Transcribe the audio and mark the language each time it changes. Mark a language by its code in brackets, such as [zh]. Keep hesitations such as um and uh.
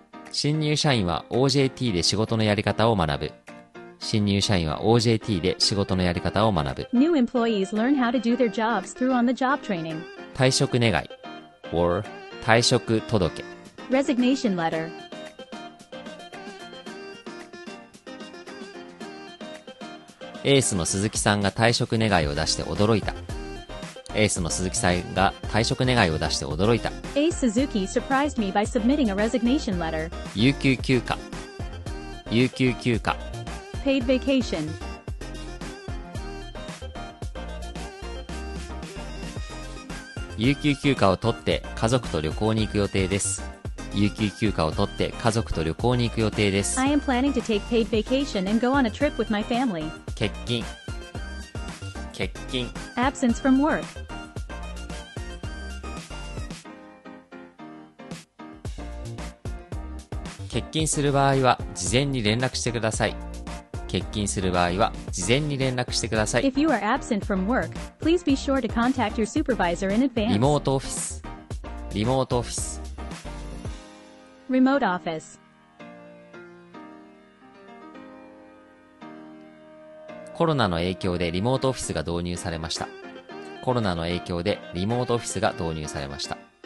[ja] 新入社員は OJT で仕事のやり方を学ぶ新入社員は OJT で仕事のやり方を学ぶ [en] New employees learn how to do their jobs through on the job training [ja] 退職願い or 退職届 [en] Resignation letter [ja] 英スの鈴木さんが退職願いを出して驚いたエースの鈴木さんが退職願いを出して驚いた。 [en] エース鈴木 surprised me by submitting a resignation letter. [ja] 有給休暇。有給休暇。 [en] paid vacation. [ja] 有給休暇を取って家族と旅行に行く予定です。有給休暇を取って家族と旅行に行く予定です。 [en] I am planning to take paid vacation and go on a trip with my family. [ja] 欠勤。欠勤 [en] absence from [ja] work する場合は事前に連絡してください欠勤する場合は事前に連絡してください [en] If you are absent from work, please be sure to contact your supervisor in advance リモ [ja] ートオフィスリモートオフィス [en] Remote office [ja] コロナの影響でリモートオフィスが導入されました。コロナの影響でリモートオフィスが導入されました。